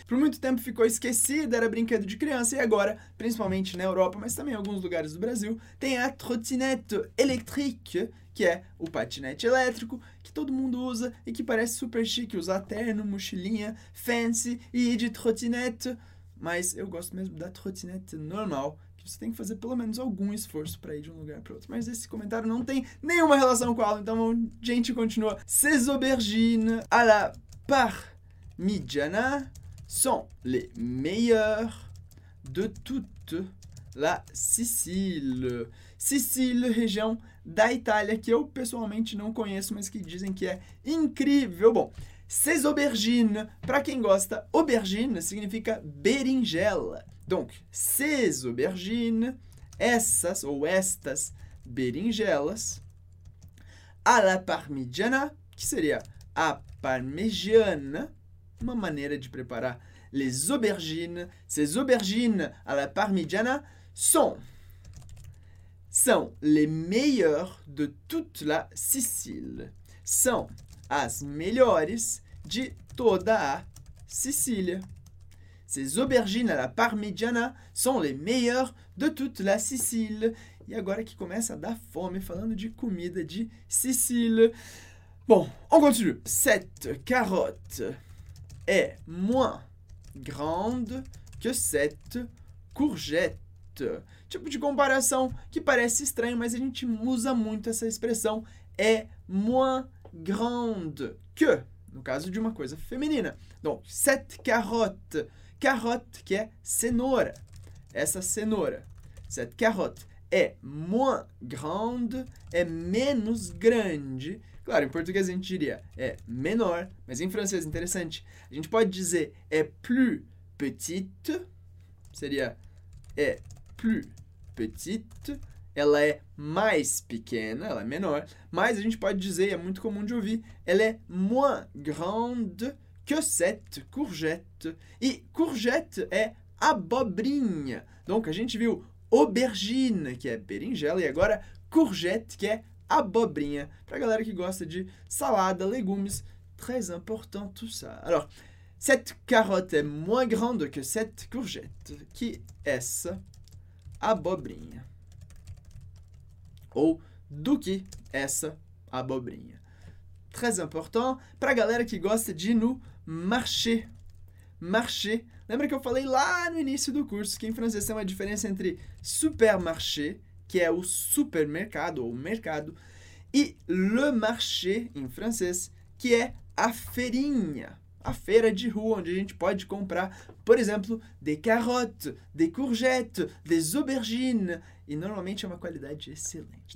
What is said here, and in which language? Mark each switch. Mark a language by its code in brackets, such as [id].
[pt] Por muito tempo ficou esquecida, era brinquedo de criança e agora, principalmente na Europa, mas também em alguns lugares do Brasil, tem a trottinette électrique, que é o patinete elétrico, que todo mundo usa e que parece super chique, usar terno, mochilinha, fancy e ir de trottinette. Mas eu gosto mesmo da trottinette normal, que você tem que fazer pelo menos algum esforço para ir de um lugar para outro. Mas esse comentário não tem nenhuma relação com a aula, então a gente continua. [fr] Ces aubergines à la parmigiana sont les meilleures de toute la Sicile. [pt] Sicile, região da Itália, que eu pessoalmente não conheço, mas que dizem que é incrível. Bom, ces aubergines, para quem gosta, aubergine significa berinjela. Donc, ces aubergines, essas ou estas berinjelas, à la parmigiana, que seria a parmegiana, uma maneira de preparar les aubergines. [fr] Ces aubergines à la parmigiana sont les meilleures de toute la Sicile. [pt] São as melhores de toda a Sicília. [fr] Ces aubergines à la parmigiana sont les meilleures de toute la Sicile. [pt] E agora que começa a dar fome falando de comida de Sicília. [fr] Bom, on continue. Cette carotte est moins grande que cette courgette. [pt] Tipo de comparação que parece estranho, mas a gente usa muito essa expressão. É [fr] moins grande que, [pt] no caso de uma coisa feminina. [fr] Donc, cette carotte. [pt] Carotte, que é cenoura. Essa cenoura. [fr] Cette carotte é moins grande, [pt] é menos grande. Claro, em português a gente diria é menor, mas em francês, interessante, a gente pode dizer é [fr] plus petite. [pt] Seria é [fr] plus petite. [pt] Ela é mais pequena, ela é menor, mas a gente pode dizer, é muito comum de ouvir, ela é [fr] moins grande que cette courgette. [pt] E courgette é abobrinha. Donc, a gente viu aubergine, que é berinjela, e agora courgette, que é abobrinha. Pra galera que gosta de salada, legumes, [fr] très important tout ça. Alors, cette carotte est moins grande que cette courgette, [pt] que essa abobrinha. Ou do que essa abobrinha. [fr] Très important [pt] pra galera que gosta de ir no marché. Marché. Lembra que eu falei lá no início do curso que em francês tem uma diferença entre supermarché, que é o supermercado ou mercado, e le marché em francês, que é a feirinha, a feira de rua onde a gente pode comprar, por exemplo, [fr] des carottes, des courgettes, des aubergines, [pt] e normalmente é uma qualidade excelente.